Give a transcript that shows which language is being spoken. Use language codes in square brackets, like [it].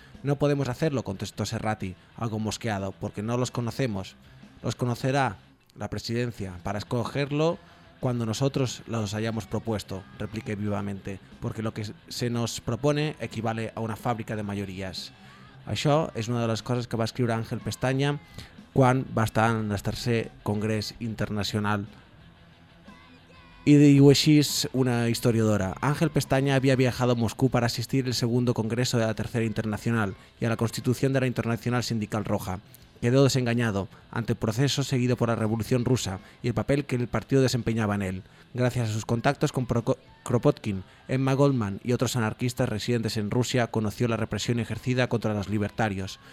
[es] No podemos hacerlo, contestó Serrati, algo mosqueado, porque no los conocemos. Los conocerá la presidencia para escogerlo cuando nosotros los hayamos propuesto, repliqué vivamente, porque lo que se nos propone equivale a una fábrica de mayorías. [ca] Això és una de les coses que va escriure Àngel Pestaña quan va estar en el tercer Congrés Internacional [es] Y de Iwashis, una historiadora. Ángel Pestaña había viajado a Moscú para asistir al segundo congreso de la Tercera Internacional y a la constitución de la Internacional Sindical Roja. Quedó desengañado ante el proceso seguido por la Revolución Rusa y el papel que el partido desempeñaba en él. Gracias a sus contactos con Kropotkin, Emma Goldman y otros anarquistas residentes en Rusia, conoció la represión ejercida contra los libertarios.